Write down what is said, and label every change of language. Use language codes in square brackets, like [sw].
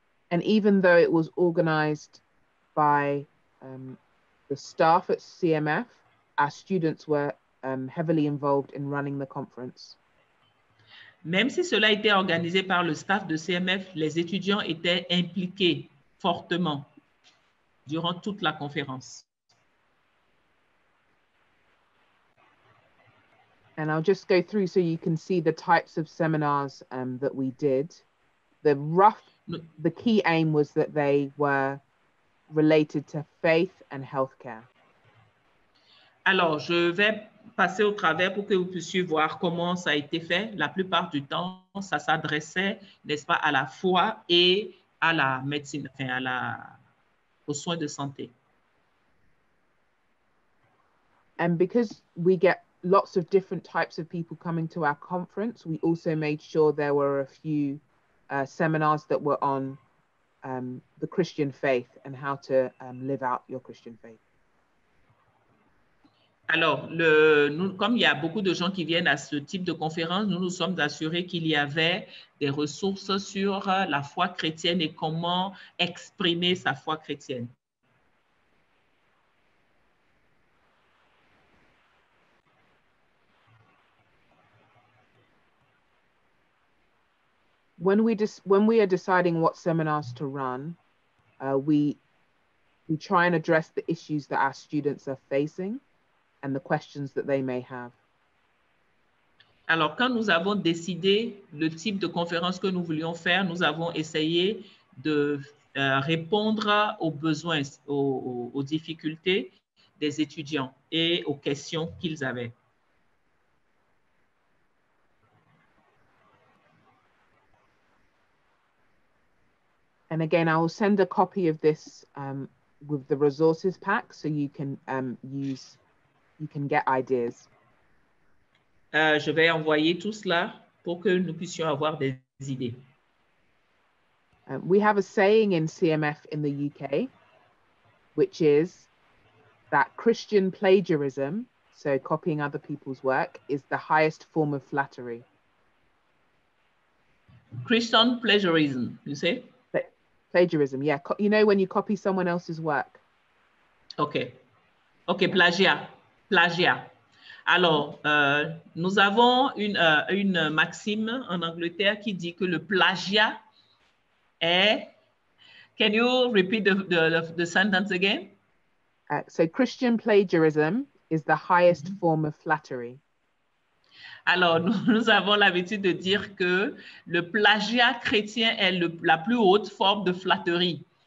[en] And even though it was organized by the staff at CMF, our students were heavily involved in running the conference. [fr] Même si cela était organisé par le staff de CMF, les étudiants étaient impliqués fortement durant toute la conférence. [en] And I'll just go through so you can see the types of seminars that we did. The key aim was that they were related to faith and healthcare. [fr] Alors, je vais passer au travers pour que vous puissiez voir comment ça a été fait. La plupart du temps, ça s'adressait, n'est-ce pas, à la foi et à la médecine, enfin, à la, aux soins de santé. [en] And because we get lots of different types of people coming to our conference, we also made sure there were a few seminars that were on the Christian faith and how to live out your Christian faith. [fr] Alors, comme il y a beaucoup de gens qui viennent à ce type de conférence, nous nous sommes assurés qu'il y avait des ressources sur la foi chrétienne et comment exprimer sa foi chrétienne. [en] When we are deciding what seminars to run, we try and address the issues that our students are facing and the questions that they may have. [fr] Alors, quand nous avons décidé le type de conférence que nous voulions faire, nous avons essayé de répondre aux besoins, aux difficultés des étudiants et aux questions qu'ils avaient. [en] And again, I will send a copy of this with the resources pack, so you can use, you can get ideas. [fr] Je vais envoyer tout cela pour que nous puissions avoir des idées. [en] We have a saying in CMF in the UK, which is that Christian plagiarism, so copying other people's work, is the highest form of flattery. Christian plagiarism, you say? Plagiarism, yeah. You know when you copy someone else's work. [fr] Okay. Okay, plagiat. Plagiat. Alors, nous avons une maxime en Angleterre qui dit que le plagiat est... [en] Can you repeat the sentence again? So Christian plagiarism is the highest form of flattery. [fr] Alors, nous avons l'habitude de dire que le plagiat chrétien est la plus haute forme de flatterie.